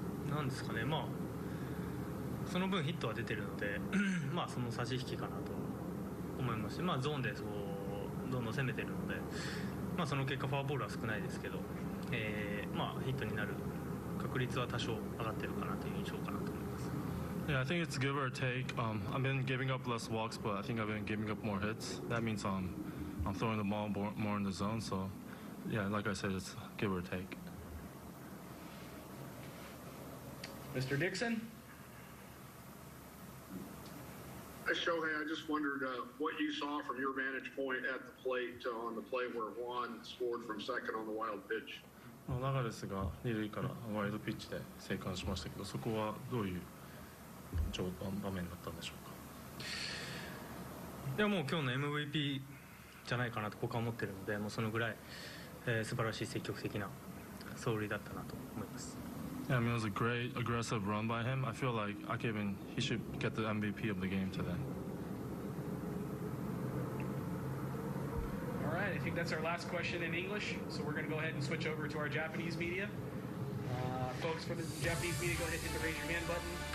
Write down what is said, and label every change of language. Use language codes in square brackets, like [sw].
[ja] なんですかね、まあその分ヒットは出てるので、まあその差し引きかなと思いますし、まあゾーンでそうどんどん攻めてるので、まあその結果フォアボールは少ないですけど、まあヒットになる確率は多少上がってるかなという印象かなと思います。 [en] Yeah, I think it's give or take. I've been giving up less walks, but I think I've been giving up more hits. That means I'm throwing the ball more in the zone. So, yeah, like I said, it's give or take. Mr. Dixon? Shohei, I just wondered what you saw from your vantage point at the plate on the play where Juan scored from second on the wild pitch. [ja] の流れですが、二塁からワイルドピッチで生還しましたけど、そこはどういう場面だったんでしょうか。いやもう今日の MVP じゃないかなと僕は思ってるので、もうそのぐらい、素晴らしい積極的な走塁だったなと思います。 [en] Yeah, I mean, it was a great aggressive run by him. I feel like Akeben, he should get the MVP of the game today. All right, I think that's our last question in English, so we're going to go ahead and switch over to our Japanese media. Folks, for the Japanese media, go ahead and hit the raise your hand button.